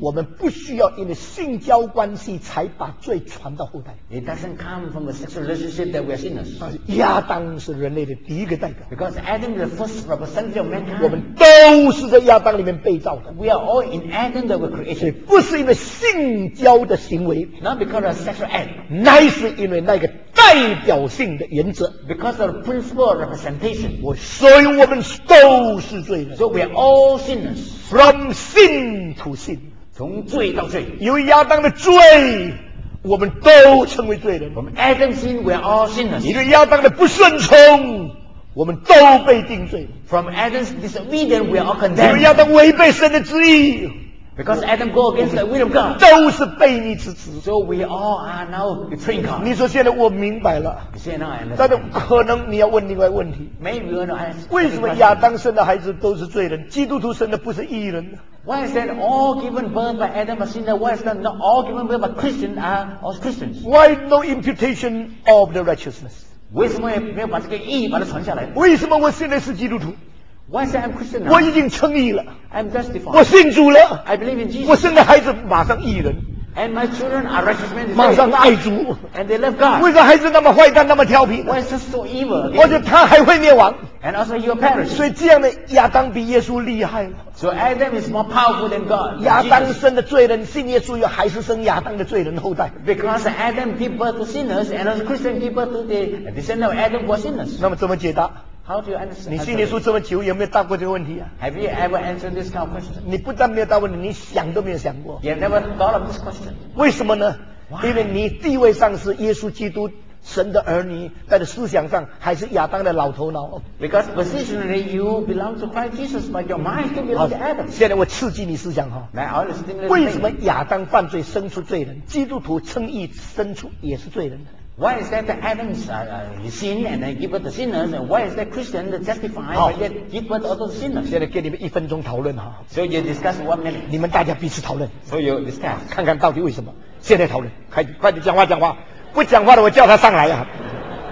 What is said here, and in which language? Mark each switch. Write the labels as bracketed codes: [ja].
[zh] 我们不需要因为性交关系才把罪传到后代。 [en] It doesn't come from a sexual relationship that we are sinners. [zh] 亚当是人类的第一个代表。 [en] Because Adam is the first representative of mankind. [zh] 我们都是在亚当里面被造的。 [en] We are all in Adam that we created. [zh] 不是因为性交的行为 [en] ，Not because of sexual act. [zh] 乃是因为那个。代表性的原则 [en] ，because of the principle of representation， [zh] 所以我们都是罪人 [en] ，so we are all sinners， from sin to sin， [zh] 从罪到罪，由于亚当的罪，我们都成为罪人 [en] ，from Adam's sin we are all sinners， [zh] 由于亚当的不顺从，我们都被定罪 [en] ，from Adam's disobedience we are all condemned， [zh] 由于亚当违背神的旨意。 [en] Because Adam go against the will of God, [zh] 都是悖逆之子。 [en] So we all are now betraying God. [zh] 你说现在我明白了。 [en] You say now I understand. [zh] 但是可能你要问另外问题。 [en] Maybe we're gonna ask. [zh] 为什么亚当生的孩子都是罪人？基督徒生的不是义人 [en] ？Why is that all given birth by Adam a sinner? Why is that not all given birth by Christians are all Christians? Why no imputation of the righteousness? [zh] 为什么也没有把这个义把它传下来？为什么我现在是基督徒？ [en] Why say I'm Christian now? [zh] 我已经称义了 [en] I'm justified. [zh] 我信主了 [en] I believe in Jesus. [zh] 我生的孩子马上义人 [en] And my children are righteous men. [zh] 马上爱主 [en] And they love God. [zh] 为什么孩子那么坏蛋那么调皮 [en] Why is this so evil? [zh] 而且他还会灭亡 [en] And also your parents. [zh] 所以这样的亚当比耶稣厉害 [en] So Adam is more powerful than God. [zh] 亚当生的罪人信耶稣又还是生亚当的罪人后代 [en] Because Adam gave birth to sinners and also Christian gave birth to the descendants of Adam who are sinners. [zh] 那么怎么解答 [en] How do you answer? [zh] 你信耶稣这么久，有没有答过这个问题啊 [en] ？Have you ever answered this kind of question? [zh] 你不但没有答问题，你想都没有想过。 [en] You never thought of this question. [zh] 为什么呢 [en] ？Why? [zh] 因为你地位上是耶稣基督神的儿女，但是思想上还是亚当的老头脑。 [en] Because positionally you belong to Christ Jesus, but your mind still belongs to Adam. [zh] 现在我刺激你思想哈。 [en] Now, I'll stimulate you. [zh] 为什么亚当犯罪生出罪人，基督徒称义生出也是罪人？ [en] Why is that the Adam's sin and then give birth to sinners? And why is that Christian justified but yet give birth to sinners? [zh] 现在给你们一分钟讨论哈。 [en] So you discuss one minute. [zh] 你们大家彼此讨论。 [en] So you discuss. [zh] 看看到底为什么？现在讨论，快快点讲话讲话，不讲话的我叫他上来呀、啊。